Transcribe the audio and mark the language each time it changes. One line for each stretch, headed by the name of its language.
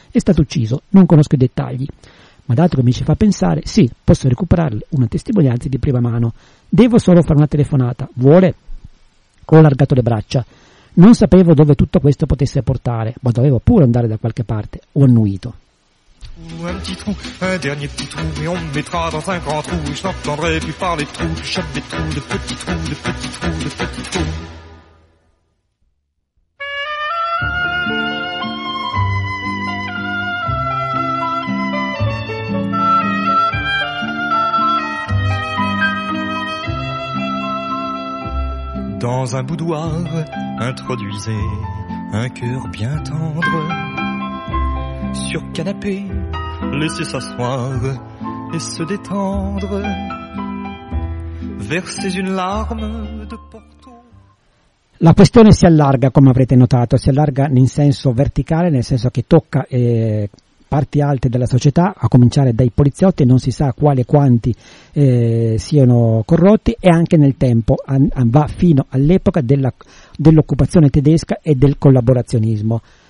Italian: È stato ucciso, non conosco i dettagli. Ma dato che mi ci fa pensare, sì, posso recuperarle una testimonianza di prima mano. Devo solo fare una telefonata. Vuole? Ho allargato le braccia. Non sapevo dove tutto questo potesse portare, ma dovevo pure andare da qualche parte. Ho annuito.
French: Un petit trou, un dernier petit trou, et on me mettra dans un grand trou, et je n'entendrai plus parler de trous, je chope des trous, de petits trous, de petits trous, de petits trous. Dans un boudoir, introduisez un cœur bien tendre. Sur canapé, laissez s'asseoir et se détendre. Versez une larme de Porto.
Italian: La questione si allarga, come avrete notato, si allarga in senso verticale, nel senso che tocca parti alte della società, a cominciare dai poliziotti, non si sa quale quanti siano corrotti, e anche nel tempo va fino all'epoca dell'occupazione tedesca e del collaborazionismo.